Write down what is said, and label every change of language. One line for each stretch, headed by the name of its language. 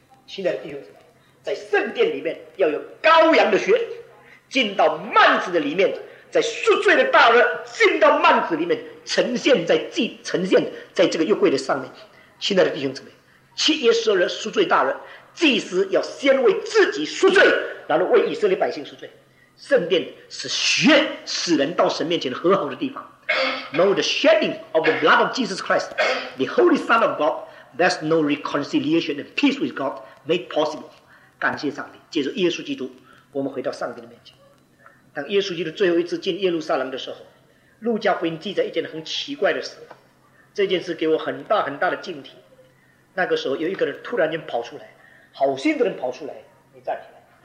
Chinese: 亲爱的弟兄姊妹，在圣殿里面要有羔羊的血，进到幔子的里面，在赎罪的大额进到幔子里面，呈现在这个约柜的上面。亲爱的弟兄姊妹，7月12日赎罪大额，祭司要先为自己赎罪，然后为以色列百姓赎罪。圣殿是血使人到神面前和好的地方。
English: Know the shedding of the blood of Jesus Christ, the Holy Son of God, there's no reconciliation and peace with God made possible.
Chinese: 感谢上帝，借着耶稣基督，我们回到上帝的面前。当耶稣基督最后一次进耶路撒冷的时候，路加福音记载一件很奇怪的事，这件事给我很大很大的警惕。那个时候有一个人突然间跑出来，好心的人跑出来，你站起来。